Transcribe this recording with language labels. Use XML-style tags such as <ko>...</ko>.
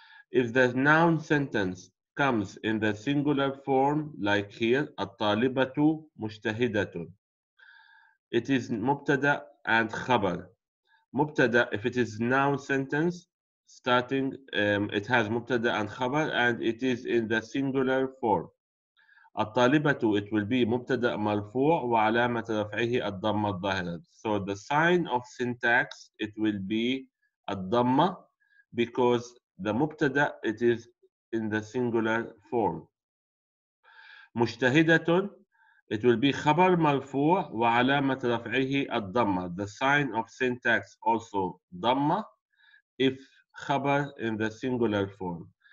<en>If the noun sentence comes in the singular form, like here,</en> <ar>الطالبة مجتهدة.</ar> <en>It is مبتدأ and خبر. مبتدأ, if it is noun sentence, starting, it has مبتدأ and خبر, and it is in the singular form.</en> <ar>الطالبة,</ar> <en>it will be</en> <ar>مبتدأ مرفوع وعلامة رفعه الضمة الظاهرة.</ar> <en>So the sign of syntax, it will be الضمة, because the مبتدأ, it is in the singular form.</en> <ar>مجتهدة,</ar> <en>it will be</en> <ar>خبر مرفوع وعلامة رفعه الضمة.</ar> <en>The sign of syntax also ضمة, if خبر in the singular form.</en>